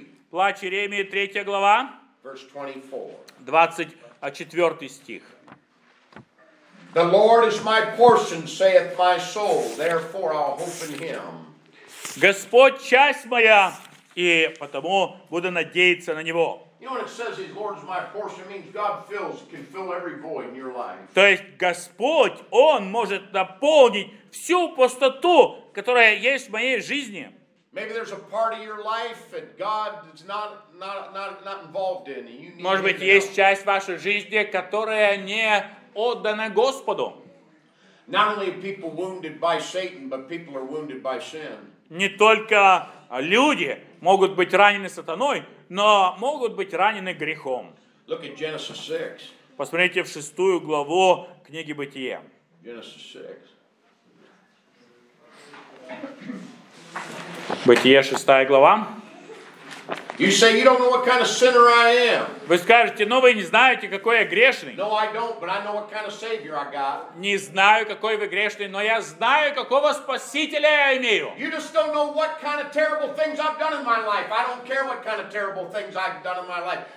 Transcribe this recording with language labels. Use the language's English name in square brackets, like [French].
[Russian] Плач Иеремии, 3 глава, 24 стих. [English] The Lord is my portion, saith my soul, therefore I'll hope in Him. [Russian] Господь часть моя, и потому буду надеяться на Него. [English] You know what it says, the Lord is my portion, means God fills, can fill every void in your life. [Russian] То есть Господь, Он может наполнить всю пустоту, которая есть в моей жизни. [English] Maybe there's a part of your life that God is not involved in, and you need. [Russian] Может быть, есть часть вашей жизни, которая не отдана Господу. [English] Not only are people wounded by Satan, but people are wounded by sin. [Russian] Не только люди могут быть ранены сатаной, но могут быть ранены грехом. [English] Look at Genesis 6. [Russian] Посмотрите в 6 главу книги Бытия. [English] Genesis 6. [Russian] Бытие, 6 глава. [English] You say, you don't know what kind of sinner I am. [Russian] Вы скажете, но вы не знаете, какой я грешный. [English] No, I don't, but I know what kind of savior I got. [Russian] Не знаю, какой вы грешный, но я знаю, какого спасителя я имею. [English] You just don't know what kind of terrible things I've done in my life. I don't care what kind of terrible things I've done in my life.